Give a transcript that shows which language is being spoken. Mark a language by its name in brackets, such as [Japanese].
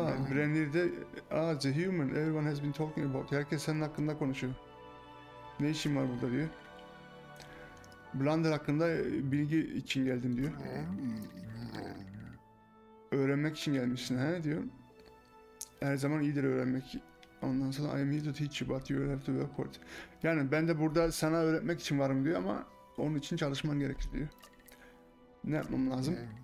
[English] Brenir'de, the human, everyone has been talking about. [Turkish] Herkes senin hakkında konuşuyor. Ne işin var burada diyor. Blunder hakkında bilgi için geldim diyor. Öğrenmek için gelmişsin he diyor. Her zaman iyidir öğrenmek. Ondan sonra [English] I am here to teach you, but you have to work for it. [Turkish] Yani ben de burada sana öğretmek için varım diyor ama onun için çalışman gerekir diyor. Ne yapmam lazım?